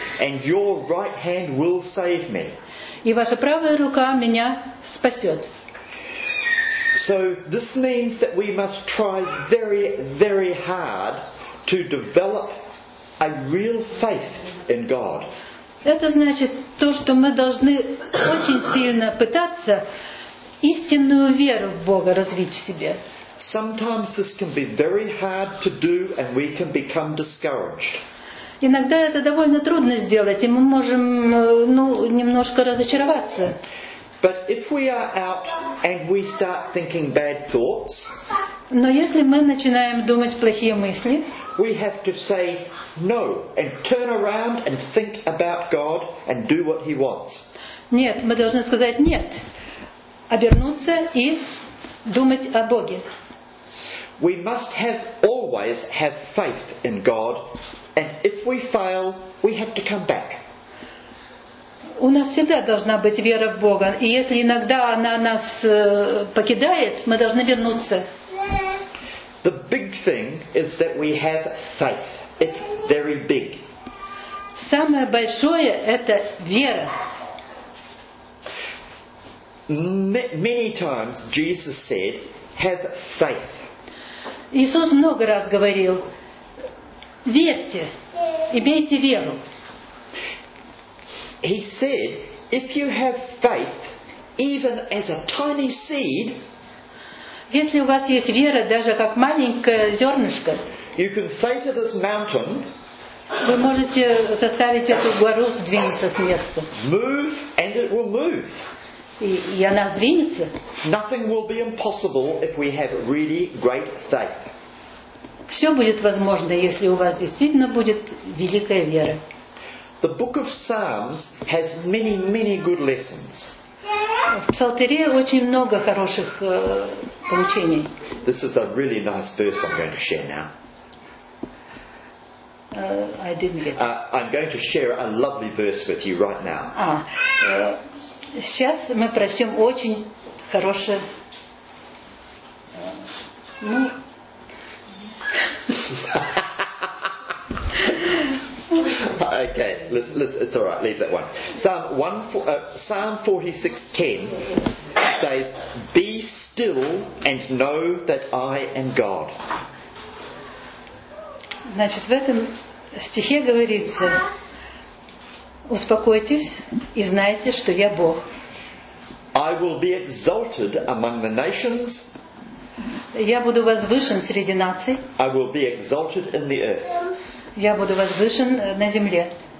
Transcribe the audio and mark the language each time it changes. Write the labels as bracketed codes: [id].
[en] And your right hand will save me. [ru] И ваша правая рука меня спасет. [en] So this means that we must try very, very hard to develop a real faith in God. [ru] Это значит то, что мы должны очень сильно пытаться истинную веру в Бога развить в себе. [en] Sometimes this can be very hard to do and we can become discouraged. [ru] Иногда это довольно трудно сделать, и мы можем, ну, немножко разочароваться. [en] But if we are out and we start thinking bad thoughts, [ru] но если мы начинаем думать плохие мысли, [en] we have to say no and turn around and think about God and do what he wants. [ru] Нет, мы должны сказать нет, обернуться и думать о Боге. [en] We must have always have faith in God. And if we fail, we have to come back. [ru] У нас всегда должна быть вера в Бога, и если иногда она нас покидает, мы должны вернуться. [en] The big thing is that we have faith. It's very big. [ru] Самое большое – это вера. [en] Many times Jesus said, "Have faith." [ru] Иисус много раз говорил: верьте, имейте веру. [en] He said, if you have faith, even as a tiny seed, [ru] если у вас есть вера, даже как маленькое зернышко, [en] you can say to this mountain, [ru] вы можете заставить эту гору сдвинуться с места. [en] Move and it will move. [ru] И она сдвинется. [en] Nothing will be impossible if we have really great faith. [ru] Все будет возможно, если у вас действительно будет великая вера. [en] The book of Psalms has many, many good lessons. [ru] в псалтире очень много хороших поучений. [en] This is a really nice verse I'm going to share now. I didn't get it. I'm going to share a lovely verse with you right now. [ru] Сейчас мы прочтем очень хорошее. [en] Okay, listen, it's all right. Leave that one. Psalm 46:10 says, "Be still and know that I am God." [ru] Значит, в этом стихе говорится: успокойтесь и знайте, что я Бог. [en] I will be exalted among the nations. [ru] Я буду возвышен среди наций. [en] I will be exalted in the earth. [ru] Я буду возвышен на земле.